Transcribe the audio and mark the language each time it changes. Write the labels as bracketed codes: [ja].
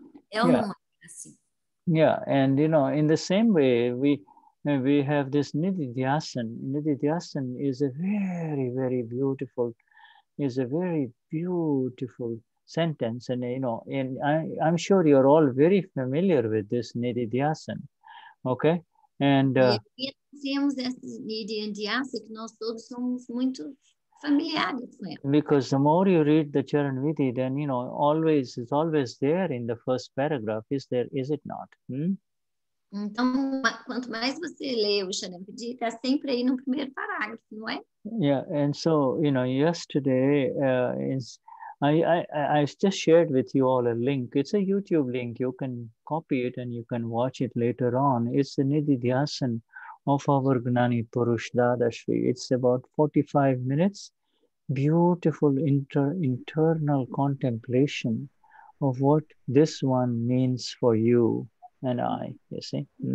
[pt] É uma assim. [en] Yeah, and you know, in the same way, we have this nididhyasana. Nididhyasana is a very, very beautiful, is a very beautiful sentence, and you know, and I'm sure you're all very familiar with this nididhyasana, okay? And because the more you read the Charanvidhi, then you know, always it's always there in the first paragraph, is there, is it not? [pt] Então, quanto mais você lê o Charanvidhi, está sempre aí no primeiro parágrafo, não é? [en] Yeah, and so, you know, yesterday, I just shared with you all a link. It's a YouTube link. You can copy it and you can watch it later on. It's the Nididhyasana of our Gnani Purush Dadashri. It's about 45 minutes. Beautiful internal contemplation of what this one means for you and I, you see?